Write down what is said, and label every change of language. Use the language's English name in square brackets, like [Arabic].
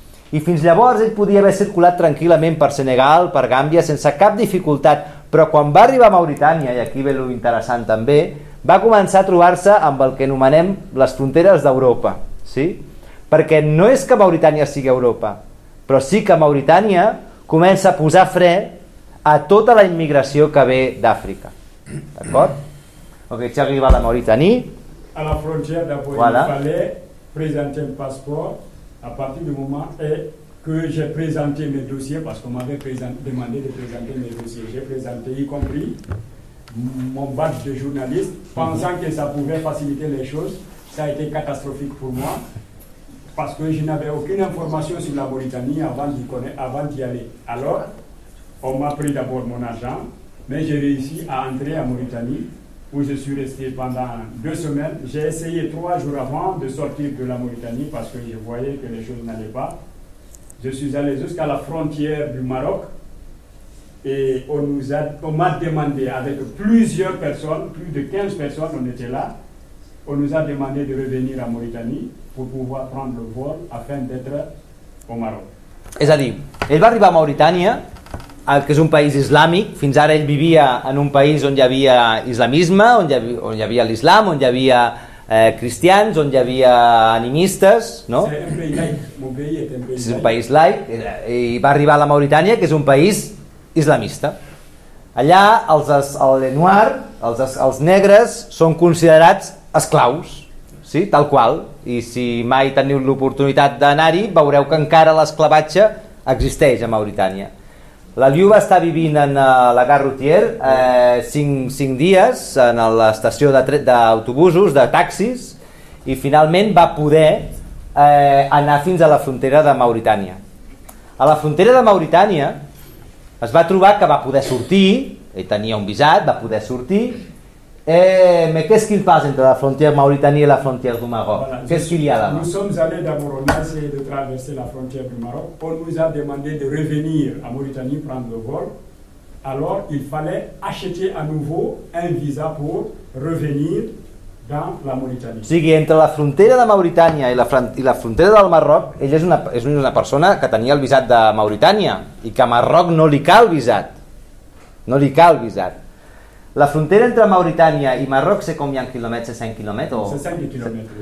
[Catalan] I fins llavors ell podia haver circulat tranquil·lament per Senegal, per Gàmbia, sense cap dificultat, però quan va arribar a Mauritània, i aquí ve l'interessant també, va començar a trobar-se amb el que anomenem les fronteres d'Europa, sí? Perquè no és que Mauritània sigui Europa, però sí que Mauritània comença a posar fre a tota la immigració que ve d'Àfrica, d'acord? Ok, ja arriba la Mauritania. A la frontera de Boïn-Falais, presentem el passport, [French] a partir del moment que j'ai présenté mes dossiers, parce qu'on m'avait demandé de présenter mes dossiers, j'ai présenté y compris mon badge de journaliste, pensant que ça pouvait faciliter les choses. Ça a été catastrophique pour moi, parce que je n'avais aucune information sur la Mauritanie avant d'y aller. Alors, on m'a pris d'abord mon argent, mais j'ai réussi à entrer à Mauritanie, où je suis resté pendant deux semaines. J'ai essayé trois jours avant de sortir de la Mauritanie, parce que je voyais que les choses n'allaient pas. Je suis allé jusqu'à la frontière du Maroc, et on m'a demandé, avec plusieurs personnes, plus de 15 personnes, on était là, on nous a demandé de revenir à Mauritanie pour pouvoir prendre le vol afin d'être au Maroc. [Catalan] És a dir, ell va arribar a Mauritània, que és un país islàmic. Fins ara ell vivia en un país on hi havia islamisme, on hi havia l'islam, on hi havia cristians, on hi havia animistes, no? És un país laic. I va arribar a la Mauritània, que és un país islamista. Allà els negres són considerats esclaus, sí? Tal qual. I si mai teniu l'oportunitat d'anar-hi, veureu que encara l'esclavatge existeix a Mauritània. La Liu va estar vivint en la Gare Routière 5 dies en l'estació d'autobusos, de taxis, i finalment va poder anar fins a la frontera de Mauritània. A la frontera de Mauritània es va trobar que va poder sortir, ell tenia un visat, va poder sortir. Què és que hi passa entre la frontera Mauritània i la frontera du Maroc? [French] Voilà, [Catalan] què és que hi ha [French] d'abord? [Catalan] Nosaltres som [French] allés d'abord, on a essayé de traverser la frontera du Maroc. On nous a demandé de revenir a Mauritanie, prendre le vol. Alors, il fallait acheter à nouveau un visa pour revenir dans la Mauritanie. [Catalan] O sigui, entre la frontera de Mauritània i la frontera del Maroc, ell és una persona que tenia el visat de Mauritània i que a Marroc no li cal visat. No li cal visat. La frontera entre Mauritània i Marroc sé com hi ha quilòmetres, 100 quilòmetres? O... 60 quilòmetres,